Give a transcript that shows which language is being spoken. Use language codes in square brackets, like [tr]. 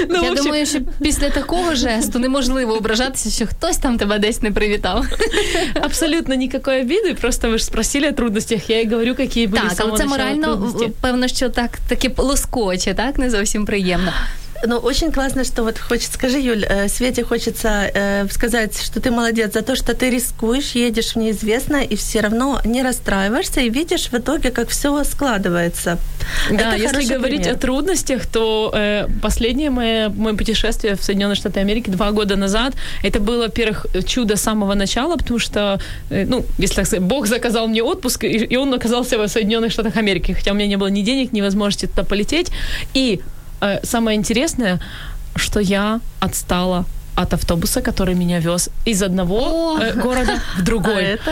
[uk] Я думаю, що після такого жесту неможливо ображатися, що хтось там тебе десь не привітав. [ru] Абсолютно никакой обиды, просто вы же спросили о трудностях, я и говорю, какие были самые начала. [uk] Так, морально, певно, що так, таке лоскоче, так? Не зовсім приємно. [ru] Ну, очень классно, что вот хочется, скажи, Юль, Свете хочется сказать, что ты молодец за то, что ты рискуешь, едешь в неизвестное и все равно не расстраиваешься, и видишь в итоге, как все складывается. Да, это если говорить пример о трудностях, то последнее мое путешествие в Соединенные Штаты Америки 2 года назад, это было, во-первых, чудо с самого начала, потому что, если так сказать, Бог заказал мне отпуск, и он оказался в Соединенных Штатах Америки, хотя у меня не было ни денег, ни возможности туда полететь, и самое интересное, что я отстала от автобуса, который меня вез из одного города в другой.